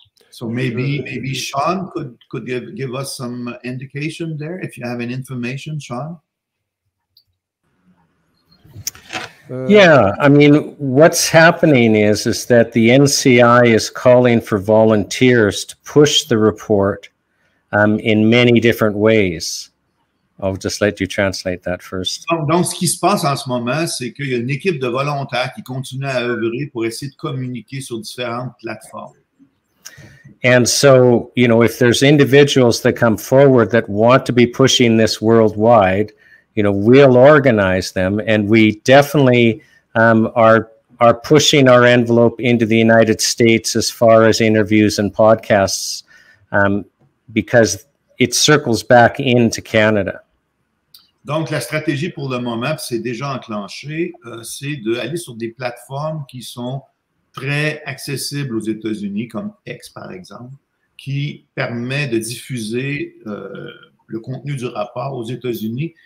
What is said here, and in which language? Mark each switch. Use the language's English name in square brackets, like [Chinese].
[English] So maybe Sean could give us some indication there if you have any information, Sean. Yeah, I mean, what's happening is that the NCI is calling for volunteers to push the report in many different ways. I'll just let you translate that first. [French] Donc, ce qui se passe en ce moment, c'est qu'il y a une équipe de volontaires qui continue à œuvrer pour essayer de communiquer sur différentes plateformes. [English] And so, you know, if there's individuals that come forward that want to be pushing this worldwide, you know, we'll organize them, and we definitely are pushing our envelope into the United States as far as interviews and podcasts, because it circles back into Canada. [French] Donc, la stratégie pour le moment, c'est déjà enclenché, c'est d'aller sur des plateformes qui sont très accessibles aux États-Unis, comme X, par exemple, qui permet de diffuser le contenu du rapport aux États-Unis.